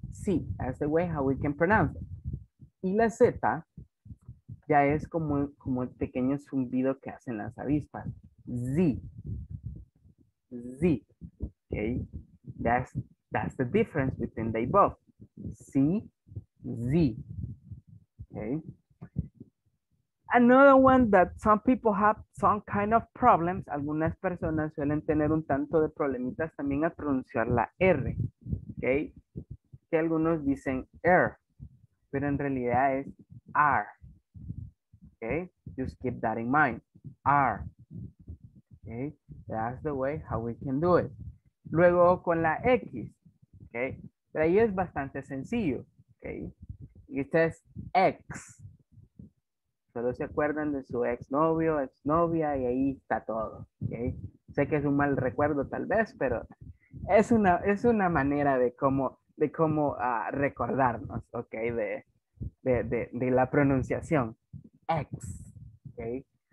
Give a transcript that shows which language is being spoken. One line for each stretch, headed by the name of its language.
English: Sí, that's the way how we can pronounce it.
Spanish: Y la Z ya es como el pequeño zumbido que hacen las avispas.
English: Z, Z, okay? That's the difference between they both. Sí, Z, okay? Another one that some people have some kind of problems.
Spanish: Algunas personas suelen tener un tanto de problemitas también al pronunciar la R, okay? Que algunos dicen R, pero en realidad es R, okay?
English: just keep that in mind. Are. Okay, that's the way how we can do it.
Spanish: Luego con la X, okay, pero ahí es bastante sencillo, okay. Y esta es X. Solo se acuerdan de su ex novio, ex novia, y ahí está todo, okay. Sé que es un mal recuerdo tal vez, pero es una manera de cómo recordarnos, okay, de la pronunciación X, okay.